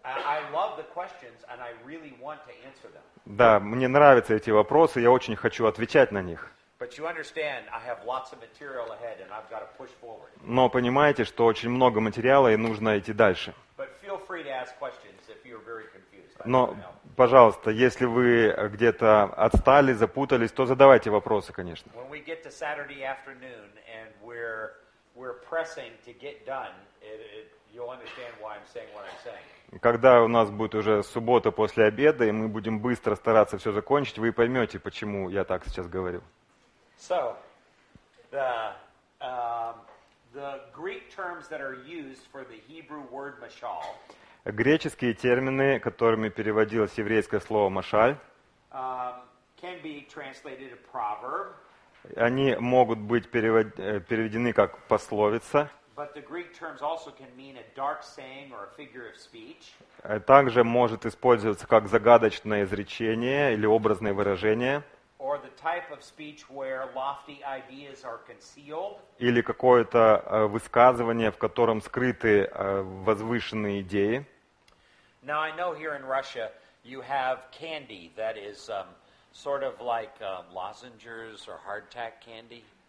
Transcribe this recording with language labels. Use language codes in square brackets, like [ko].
[en] I love the questions and I really want to answer them. [ru] Да, мне нравятся эти вопросы, я очень хочу отвечать на них. [en] But you understand, I have lots of material ahead, and I've got to push forward. [ru] Но понимаете, что очень много материала, и нужно идти дальше. [en] But feel free to ask questions if you're very confused. [ru] Но, пожалуйста, если вы где-то отстали, запутались, то задавайте вопросы, конечно. [en] When we get to Saturday afternoon and we're pressing to get done, you'll understand why I'm saying what I'm saying. [ru] Когда у нас будет уже суббота после обеда, и мы будем быстро стараться все закончить, вы поймете, почему я так сейчас говорю. [en] So, the Greek terms that are used for the Hebrew word mashal. [ru] Греческие термины, которыми переводилось еврейское слово машаль, [en] can be translated a proverb. [ru] Они могут быть переведены как пословица. [en] But the Greek terms also can mean a dark saying or a figure of speech. [ru] Также может использоваться как загадочное изречение или образное выражение. [en] Or the type of speech where lofty ideas are concealed. [ru] Или какое-то высказывание, в котором скрыты возвышенные идеи. [en] Now I know here in Russia you have candy that is sort of like lozenges or hardtack candy.